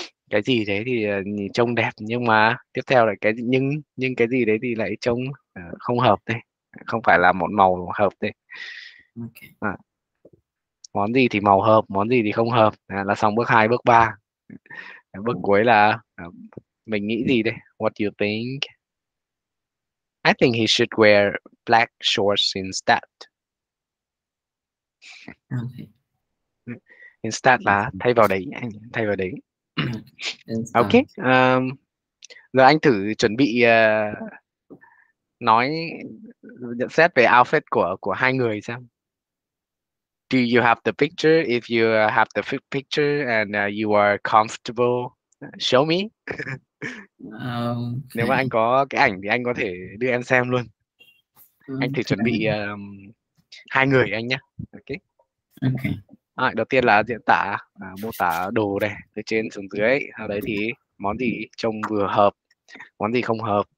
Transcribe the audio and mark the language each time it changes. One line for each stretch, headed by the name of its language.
Vietnamese: Cái gì thế thì trông đẹp nhưng mà tiếp theo là cái nhưng cái gì đấy thì lại trông không hợp đây, không phải là một màu hợp đây.
English: Okay.
Vietnamese: À, món gì thì màu hợp, món gì thì không hợp, là xong bước 2, bước 3. Bước cuối là mình nghĩ gì đây?
English: What do you think? I think he should wear black shorts instead. Okay.
Vietnamese: Instead là thay vào đấy, anh thay vào đấy. Ok, giờ anh thử chuẩn bị nói nhận xét về outfit của hai người xem.
English: Do you have the picture? If you have the picture and you are comfortable, show me.
Vietnamese: Nếu mà anh
English: Okay.
Vietnamese: có cái ảnh thì anh có thể đưa em xem luôn. Anh thử chuẩn bị hai người anh nhé. Ok. À, đầu tiên là diễn tả, mô tả đồ này, từ trên xuống dưới. Ở đấy thì món gì trông vừa hợp, món gì không hợp.